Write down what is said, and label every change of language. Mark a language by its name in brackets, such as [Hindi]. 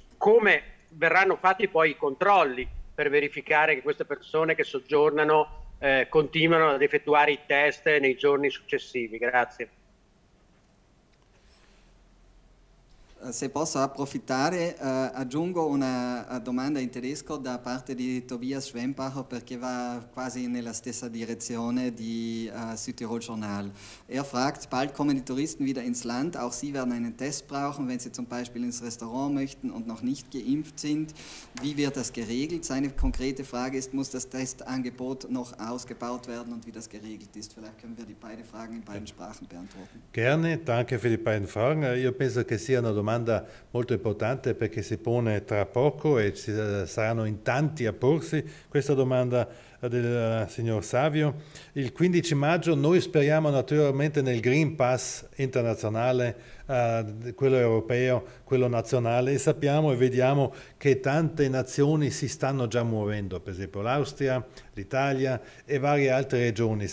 [Italian] Come verranno fatti poi i controlli per verificare che queste persone che soggiornano continuano ad effettuare i test nei giorni successivi? Grazie. se posso approfittare, aggiungo una domanda in tedesco da parte di Tobias Schwempacher, perché va quasi nella stessa direzione di Südtirol Journal. [German] Er fragt, bald kommen die Touristen wieder ins Land, auch sie werden einen Test brauchen, wenn sie zum Beispiel ins Restaurant möchten und noch nicht geimpft sind. Wie wird das geregelt? Seine konkrete Frage ist, muss das Testangebot noch ausgebaut werden und wie das geregelt ist? Vielleicht können wir die beiden Fragen in beiden Sprachen beantworten. Gerne, danke für die beiden Fragen. [Italian] Io penso che sia una domanda molto importante perché si pone tra poco e ci saranno in tanti a porsi questa domanda del signor Savio. Il 15 maggio noi speriamo naturalmente nel Green Pass internazionale, quello europeo, quello nazionale, e sappiamo e vediamo che tante nazioni si stanno già muovendo, per esempio l'Austria, l'Italia e varie altre regioni.